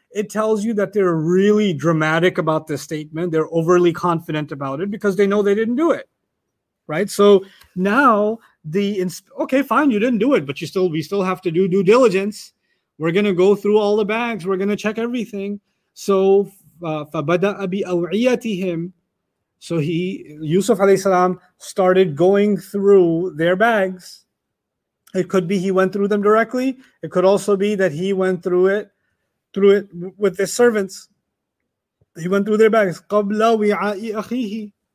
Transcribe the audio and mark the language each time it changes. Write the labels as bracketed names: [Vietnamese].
[English] It tells you that they're really dramatic about this statement. They're overly confident about it because they know they didn't do it. Right? So now, okay, fine, you didn't do it, but we still have to do due diligence. We're going to go through all the bags. We're going to check everything. [Arabic] So, فَبَدَأَ بِأَوْعِيَتِهِمْ. [English] So he, Yusuf alayhi salam, started going through their bags. It could be he went through them directly. It could also be that he went through it with his servants. He went through their bags. [Arabic] قَبْلَ وِعَاءِ أَخِيهِ.